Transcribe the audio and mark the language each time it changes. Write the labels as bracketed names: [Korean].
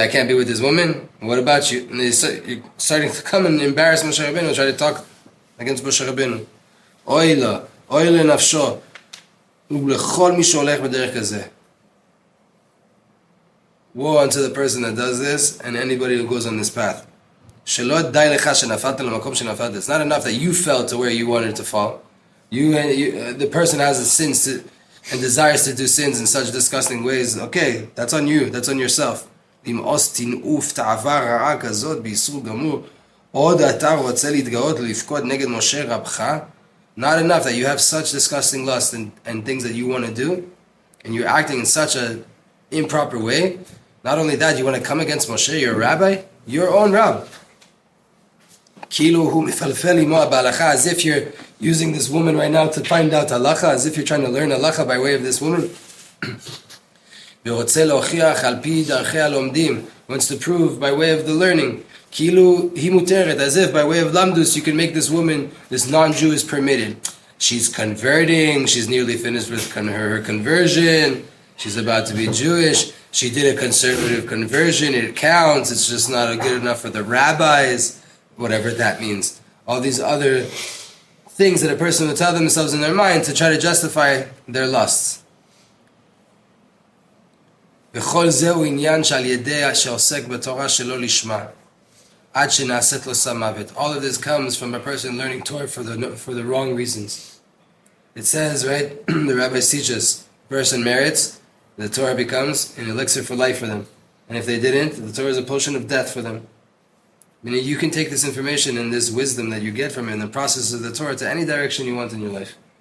[English] I can't be with this woman? What about you? And you're starting to come and embarrass Moshe Rabbeinu, try to talk against Moshe Rabbeinu. [Hebrew] Oila, oila nafsho. ולכל מי שהולך בדרך כזה. [English] Woe unto the person that does this and anybody who goes on this path. [Hebrew] שלא די לך שנפלת למקום שנפלת. [English] It's not enough that you fell to where you wanted to fall. The person has a sin and desires to do sins in such disgusting ways. Okay, that's on you. That's on yourself. [Hebrew] אם אוסטין אוף תעבר רעה כזאת באיסור גמור, עוד אתה רוצה להתגאות ולפקוד נגד משה רבך? [English] Not enough that you have such disgusting lust and things that you want to do, and you're acting in such an improper way. Not only that, you want to come against Moshe, your rabbi, your own rab. [Hebrew] כאילו הוא מפלפל עמו בהלכה, [English] as if you're using this woman right now to find out הלכה, as if you're trying to learn הלכה by way of this woman. [Hebrew] ורוצה להוכיח על פי דרכי הלומדים, [English] wants to prove by way of the learning, [Hebrew] כאילו היא מותרת, [English] as if by way of למדוס, you can make this woman, this non-Jew is permitted. She's converting, she's nearly finished with her conversion, she's about to be Jewish, she did a conservative conversion, it counts, it's just not good enough for the rabbis, whatever that means. All these other things that a person will tell themselves in their mind to try to justify their lusts. [Hebrew] וכל זהו עניין שעל ידי שעוסק בתורה שלא לשמה. עד שנעשית לו סמוות. [English] All of this comes from a person learning Torah for the wrong reasons. It says, right, the rabbi teaches, person merits, the Torah becomes an elixir for life for them. And if they didn't, the Torah is a potion of death for them. Meaning you can take this information and this wisdom that you get from it in the process of the Torah to any direction you want in your life.